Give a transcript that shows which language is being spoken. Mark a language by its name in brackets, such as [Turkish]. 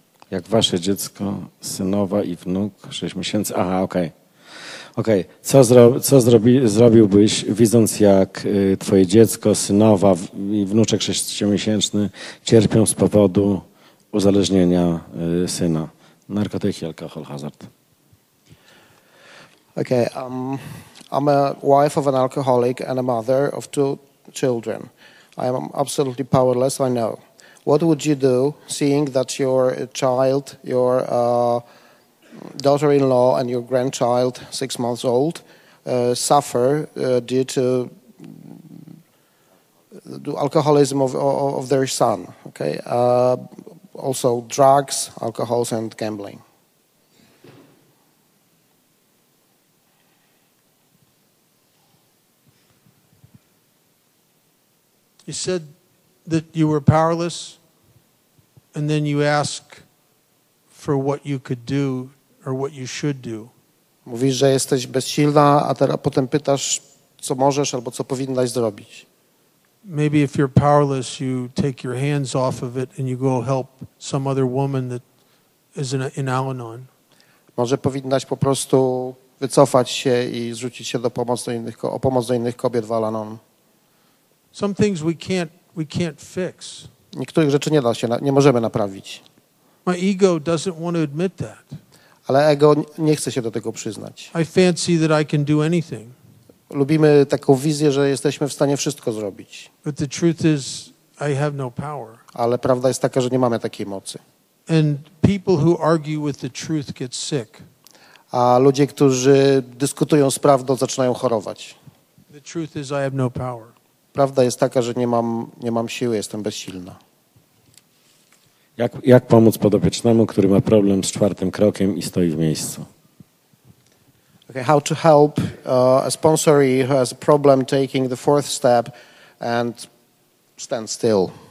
[Polish] Jak wasze dziecko, synowa i wnuk, 6 miesięcy... Aha, okej. Okej. Co zrobiłbyś, widząc, jak twoje dziecko, synowa i wnuczek 6-miesięczny cierpią z powodu uzależnienia syna, narkotyki, alkohol, hazard. [English] Okay, I'm a wife of an alcoholic and a mother of two children. I am absolutely powerless, I know. What would you do seeing that your child, your daughter-in-law and your grandchild, 6 months old, suffer due to alcoholism of their son, okay? Also drugs, alcohols, and gambling. You said that you were powerless, and then you ask for what you could do or what you should do. [Polish] Mówisz, że jesteś bezsilna, a teraz potem pytasz, co możesz albo co powinnaś zrobić. [English] Maybe if you're powerless, you take your hands off of it and you go help some other woman that is in Al-Anon. [Polish] Może powinnaś po prostu wycofać się i zwrócić się o pomoc do innych kobiet w Al-Anon. [English] Some things we can't fix. [Polish] Niektórych rzeczy nie możemy naprawić. [English] My ego doesn't want to admit that. [Polish] Ale ego nie chce się do tego przyznać. [English] I fancy that I can do anything. [Polish] Lubimy taką wizję, że jesteśmy w stanie wszystko zrobić. [English] But the truth is, I have no power. [Polish] Ale prawda jest taka, że nie mamy takiej mocy. [English] And people who argue with the truth get sick. [Polish] A ludzie, którzy dyskutują z prawdą, zaczynają chorować. [English] The truth is, I have no power. [Polish] Prawda jest taka, że nie mam siły, jestem bezsilna. Jak pomóc podopiecznemu, który ma problem z czwartym krokiem i stoi w miejscu? [English] Okay, how to help a sponsoree who has a problem taking the fourth step and stand still?